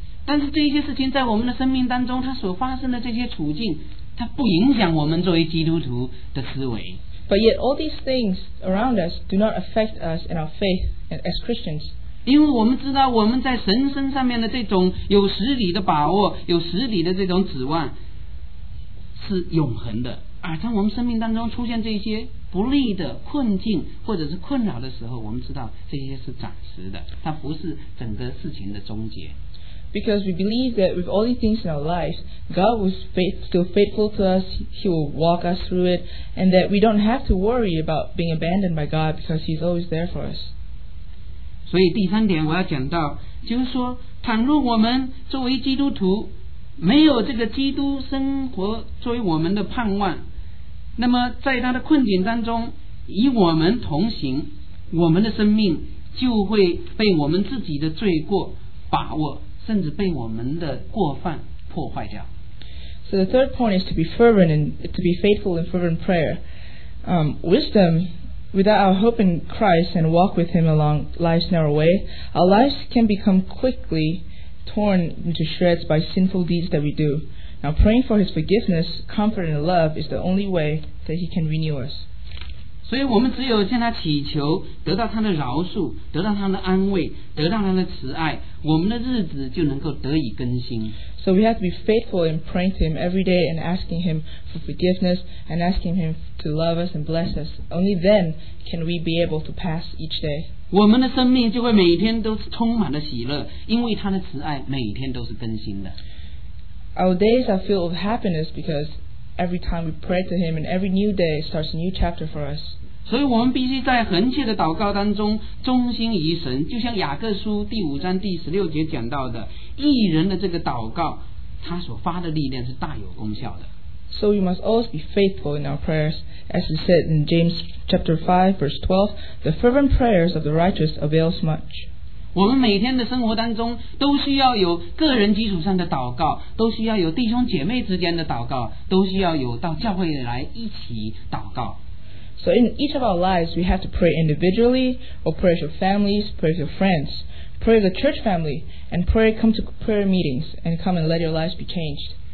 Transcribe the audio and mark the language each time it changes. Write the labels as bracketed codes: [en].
[zh] 但是这些事情在我们的生命当中它所发生的这些处境它不影响我们作为基督徒的思维。 [en] But yet all these things around us do not affect us in our faith as Christians. [zh] 因为我们知道我们在神身上面的这种有实体的把握有实体的这种指望是永恒的。而当我们生命当中出现这些不利的困境或者是困扰的时候我们知道这些是暂时的它不是整个事情的终结 [en] Because we believe that with all these things in our lives God was still faithful to us He will walk us through it and that we don't have to worry about being abandoned by God because He's always there for us [zh] 所以第三点我要讲到就是说倘若我们作为基督徒没有这个基督生活作为我们的盼望那么在他的困境当中与我们同行我们的生命就会被我们自己的罪过把握甚至被我们的过犯破坏掉 [en] So the third point is to be fervent and to be faithful in fervent prayer wisdom without our hope in Christ and walk with him along life's narrow way our lives can become quickly torn into shreds by sinful deeds that we doNow, praying for his forgiveness, comfort, and love is the only way that he can renew us. [zh] 所以我们只有向他祈求，得到他的饶恕，得到他的安慰，得到他的慈爱，我们的日子就能够得以更新。 [en] So we have to be faithful in praying to him every day and asking him for forgiveness and asking him to love us and bless us. Only then can we be able to pass each day. [zh] 我们的生命就会每天都是充满了喜乐，因为他的慈爱每天都是更新的。 [en] Our days are filled with happiness because every time we pray to him and every new day starts a new chapter for us. [zh] 所以我们必须在恒切的祷告当中忠心于神就像雅各书第五章第十六节讲到的义人的这个祷告他所发的力量是大有功效的。 [en] So we must always be faithful in our prayers. As it said in James chapter 5 verse 12, the fervent prayers of the righteous avails much. [zh] 我们每天的生活当中都需要有个人基础上的祷告都需要有弟兄姐妹之间的祷告都需要有到教会来一起祷告 [en] So in each of our lives we have to pray individually or pray with your families pray with your friends pray with the church family and pray come to prayer meetings and come and let your lives be changed